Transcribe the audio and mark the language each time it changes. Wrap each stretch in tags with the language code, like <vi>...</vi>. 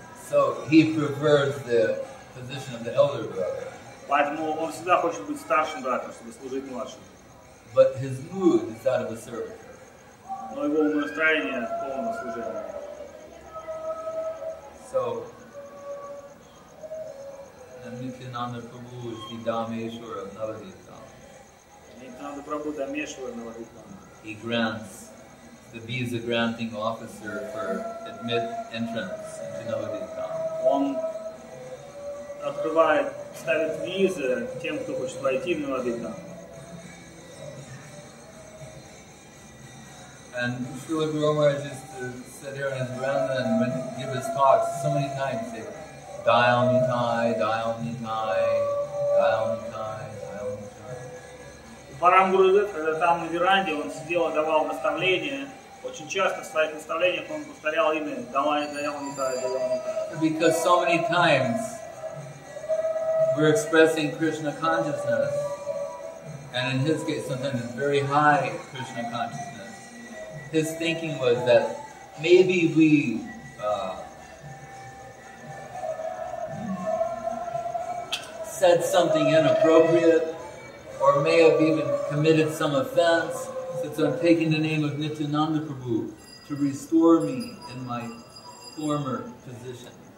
<en>So he prefers the position of the elder brother.</en> <ru>Поэтому он всегда хочет быть старшим братом, чтобы служить младшим.</ru> <en>But his mood is that of a servant.</en> <ru>Но его настроение полно служения.</ru> <en>So, Nityananda Prabhu is the Dameshwar of Navadvipam. Nityananda Prabhu Dameshwar of Navadvipam. He grants the visa granting officer for admit entrance into Navadvipam.</en> <ru>Он открывает, ставит визы тем, кто хочет войти в Навадвипам.</ru> <en>And Srila Guru Maharaj used to sit here in Vrinda and give his talks so many times. They dial me tie.</en> <ru>Парам Гуру Дэд, когда там на веранде он сидел и давал наставления, очень часто в своих наставлениях он повторял имя dial me tie.</ru> <en>Because so many times we're expressing Krishna consciousness, and in his case sometimes it's very high Krishna consciousness. His thinking was that maybe we said something inappropriate or may have even committed some offense, since I'm taking the name of Nityananda Prabhu to restore me in my former position.</en>